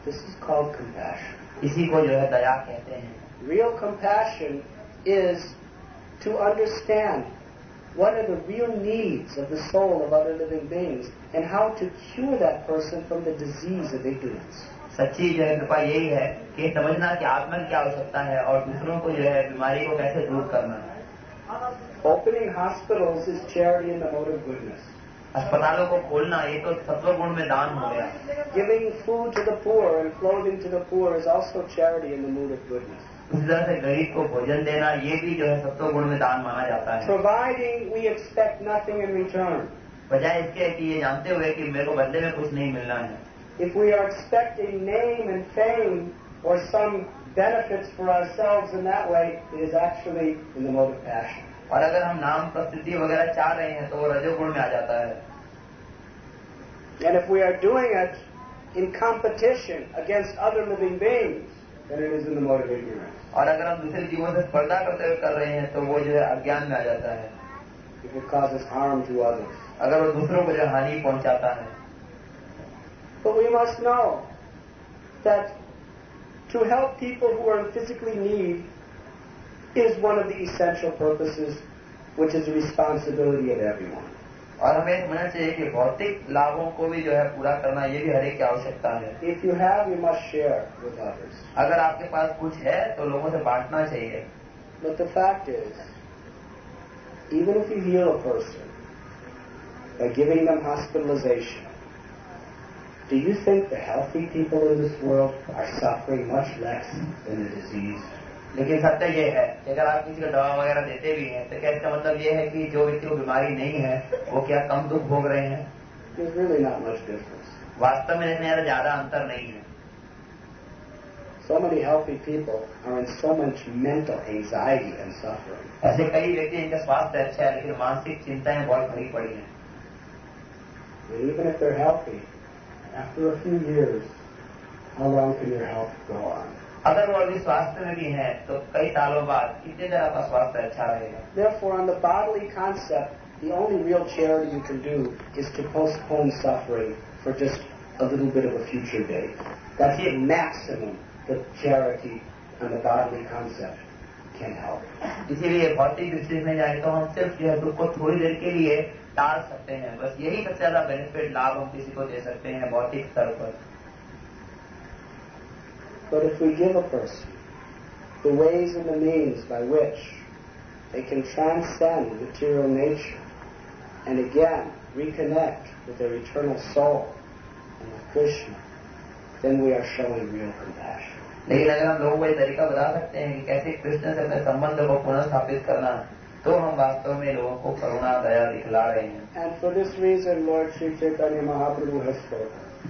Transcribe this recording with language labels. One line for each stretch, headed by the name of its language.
English: This is called compassion.
Hindi: इसी को जो है दया कहते हैं।
English: Real compassion is to understand what are the real needs of the soul of other living beings and how to cure that person from the disease of ignorance.
Hindi: सच्ची जो है कृपा यही है कि समझना कि आत्मा की आवश्यकता है और दूसरों को जो है बीमारी को कैसे दूर करना है।
English: Opening hospitals is charity in the mode of goodness.
Hindi: अस्पतालों को खोलना ये तो सत्वगुण में दान हो गया।
English: Giving food to the poor and clothing to the poor is also charity in the mode of goodness.
Hindi: इस तरह से गरीब को भोजन देना ये भी जो है सत्वगुण में दान माना जाता है।
English: Providing we expect nothing in return.
Hindi: बजाय इसके कि ये जानते हुए कि मेरे को बदले में कुछ नहीं मिलना है।
English: If we are expecting name and fame or some benefits for ourselves in that way, it is actually in the mode of passion.
Hindi: और अगर हम नाम प्रसिद्धि वगैरह चाह रहे हैं तो वो रजोगुण में आ जाता है।
English: And if we are doing it in competition against other living beings, then it is in the mode of ignorance.
Hindi: और अगर हम दूसरे जीवों से स्पर्धा करते हुए कर रहे हैं तो वो जो है अज्ञान में आ जाता है।
English: If it causes harm to others.
Hindi: अगर वो दूसरों को जो हानि पहुंचाता है।
English: But we must know that to help people who are in physically need is one of the essential purposes, which is the responsibility of everyone.
Hindi: और हमें समझना चाहिए कि भौतिक लाभों को भी जो है पूरा करना ये भी हर एक की आवश्यकता है।
English: If you have, you must share with others.
Hindi: अगर आपके पास कुछ है तो लोगों से बांटना चाहिए।
English: But the fact is, even if you heal a person by giving them hospitalization, do you think the healthy people in this world are suffering much less than the diseased?
Hindi: लेकिन सत्य ये है कि अगर आप किसी को दवा वगैरह देते भी हैं तो क्या इसका मतलब ये है कि जो व्यक्ति को बीमारी नहीं है वो क्या कम दुख भोग रहे हैं?
English: There's really not much difference.
Hindi: वास्तव में इसमें यार ज्यादा अंतर नहीं है।
English: So many healthy people are in so much mental anxiety and suffering.
Hindi: ऐसे कई व्यक्ति हैं जिनका स्वास्थ्य अच्छा है लेकिन मानसिक चिंताएं बहुत भरी पड़ी हैं।
English: Even if they're healthy, after a few years, how long can your health go on?
Hindi: अगर वो अभी स्वास्थ्य में भी है तो कई सालों बाद कितने देर आपका स्वास्थ्य अच्छा रहेगा?
English: Therefore, on the bodily concept, the only real charity you can do is to postpone suffering for just a little bit of a future day. That's the maximum that charity on the bodily concept can help.
Hindi: इसीलिए भौतिक दृष्टि में जाए तो हम सिर्फ जो है दुख को थोड़ी देर के लिए टाल सकते हैं, बस यही सबसे ज्यादा बेनिफिट लाभ हम किसी को दे सकते हैं भौतिक स्तर पर।
English: But if we give a person the ways and the means by which they can transcend material nature and again reconnect with their eternal soul and with Krishna, then we are showing real compassion.
Hindi: लेकिन अगर हम लोगों को ये तरीका बता सकते हैं कि कैसे कृष्ण से अपने संबंध को पुनः स्थापित करना तो हम वास्तव में लोगों को करुणा दया दिखला रहे हैं।
English: And for this reason, Lord Sri Chaitanya Mahaprabhu has spoken.